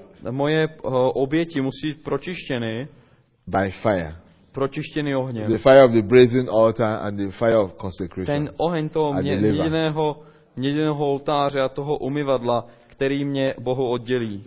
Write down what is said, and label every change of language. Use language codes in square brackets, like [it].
[cs] Moje oběti musí být pročištěny. [en] By fire. [cs] Pročištěny ohněm. [en] The fire of the brazen altar and the fire of consecration. [cs] Ten oheň toho měděného oltáře a toho umyvadla, který mě Bohu oddělí.